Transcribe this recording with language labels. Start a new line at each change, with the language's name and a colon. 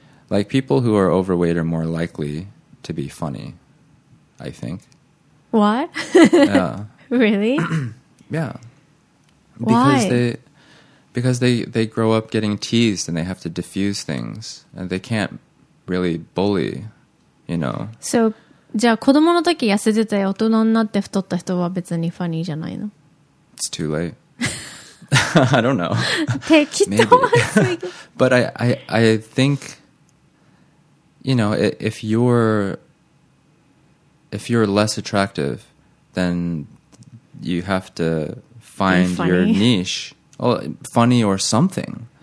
English: Like people who are overweight are more likely to be funny, I think. What? Yeah. Really? Yeah. Why? Because they grow up getting teased and they have to diffuse things and they can't really bully, you know.
Japanese: So, じゃあ子供の時痩せてて大人になって太った人は別にファニーじゃないの?
English: It's too late. I don't know. Maybe. But I think, you know, if you're less attractive, then you have to find your niche. Well, funny or something.